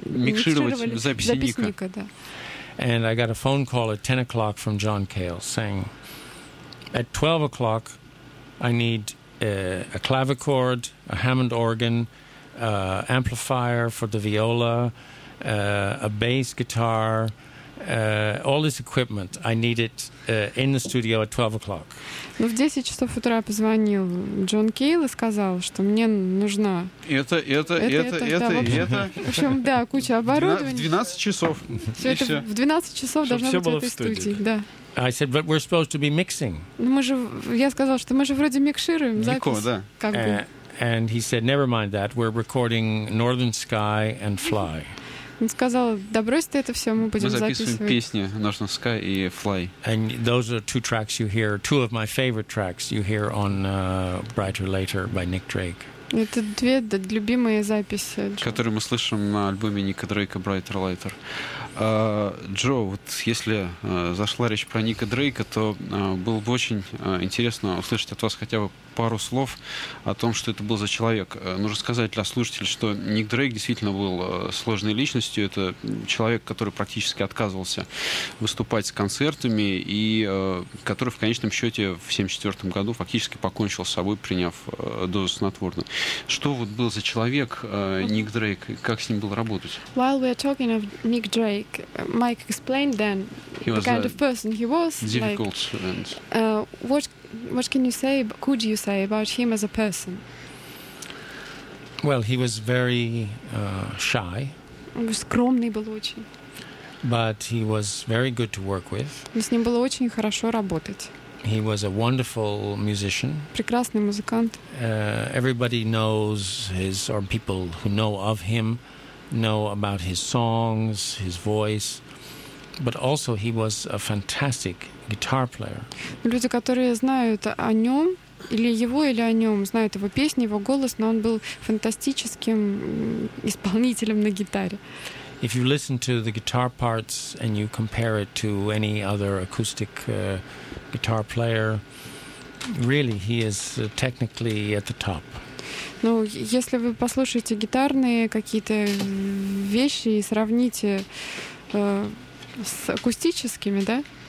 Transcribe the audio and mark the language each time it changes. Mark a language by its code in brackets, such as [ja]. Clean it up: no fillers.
[ru] микшировали записи Ника, да. [en] And I got a phone call at 10 o'clock from John Cale saying, at 12 o'clock I need a clavichord, a Hammond organ, amplifier for the viola, a bass guitar, all this equipment, I need it in the studio at 12 o'clock. [ru] Ну, в 10 часов утра позвонил Джон Кейл и сказал, что мне нужна... Это. В общем, да, куча оборудования. В 12 часов. В 12 часов должна быть эта студия, да. [en] I said, but we're supposed to be mixing. [ru] Ну, я сказал, что мы же вроде микшируем запись. Нико, да. [en] And he said, never mind that, we're recording Northern Sky and Fly. [ru] Он сказал, да брось ты это все, мы будем записывать. Мы записываем песни «Northern Sky» и «Fly». [en] And those are two tracks you hear, two of my favorite tracks you hear on «Brighter Later» by Nick Drake. [ru] Это две любимые записи. Которые мы слышим на альбоме Ника Дрейка «Brighter Later». Джо, вот если зашла речь про Ника Дрейка, то было бы очень интересно услышать от вас хотя бы пару слов о том, что это был за человек. Нужно сказать для слушателей, что Ник Дрейк действительно был сложной личностью. Это человек, который практически отказывался выступать с концертами и который в конечном счете в 1974 году фактически покончил с собой, приняв дозу снотворного. Что вот был за человек Ник Дрейк? Как с ним было работать? [en] While we are talking of Ник Дрейк, Mike explained then the kind of person he was. Difficult. Like, what can you say, could you say about him as a person? Well, he was very shy. [ru] Скромный был очень. [en] But he was very good to work with. [ru] С ним было очень хорошо работать. [en] He was a wonderful musician. [ru] Прекрасный музыкант. [en] Everybody knows his, or people who know of him know about his songs, his voice. But also he was a fantastic guitar player. [ru] Люди, которые знают о нем, или его, или о нем, знают его песни, его голос, но он был фантастическим исполнителем на гитаре. [en] If you listen to the guitar parts and you compare it to any other acoustic guitar player, really he is technically at the top. [ru] Ну, если вы послушаете гитарные какие-то вещи и сравните с акустическими, да?